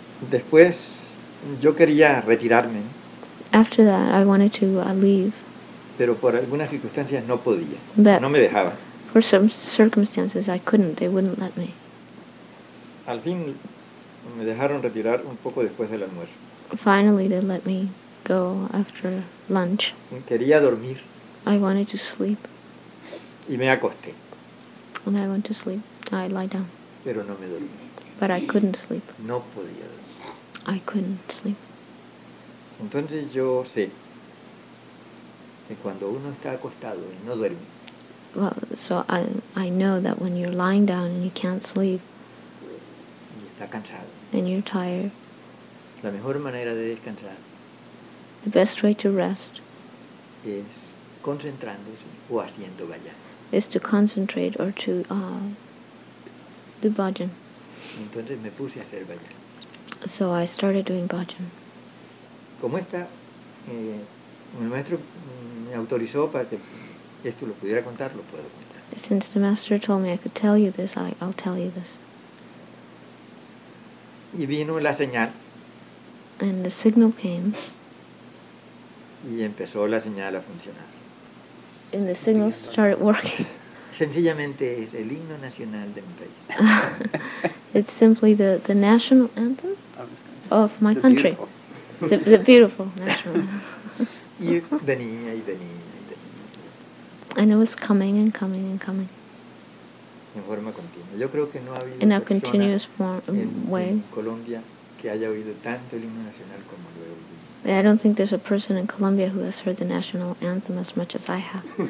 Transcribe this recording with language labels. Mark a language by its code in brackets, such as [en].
[es] Después, yo quería retirarme. [en] After that, I wanted to leave. [es] Pero por algunas circunstancias no podía. [en] But [es] no me dejaba. [en] For some circumstances, I couldn't. They wouldn't let me. [es] Al fin, me dejaron retirar un poco después del almuerzo. [en] Finally, they let me go after lunch. [es] Quería dormir. [en] I wanted to sleep. [es] Y me acosté. [en] And I went to sleep. I lie down. [es] Pero no me dormí. [en] But I couldn't sleep. [es] No podía dormir. [en] I couldn't sleep. [es] Entonces yo sé que cuando uno está acostado y no duerme. [en] Well, so I know that when you're lying down and you can't sleep. [es] Y está cansado. [en] And you're tired. [es] La mejor manera de descansar. [en] The best way to rest. [es] Es concentrándose o haciendo bhajan. [en] Is to concentrate or to do bhajan. [es] Entonces me puse a hacer bhajan. [en] So I started doing bhajan. [es] Como esta, mi maestro me autorizó para que esto lo pudiera contar, lo puedo contar. [en] Since the master told me I could tell you this, I'll tell you this. [es] Y vino la señal. [en] And the signal came. [es] Y empezó la señal a funcionar. [en] And the signal started working. [es] Sencillamente es el himno nacional de mi país. [en] It's simply the national anthem of my country. The beautiful national anthem. [es] Y venía y venía y venía. [en] And it was coming and coming and coming. [es] En forma continua. Yo creo que no ha habido [en] in a continuous form, way. [es] En Colombia que haya oído tanto el himno nacional como lo he oído. [en] I don't think there's a person in Colombia who has heard the national anthem as much as I have.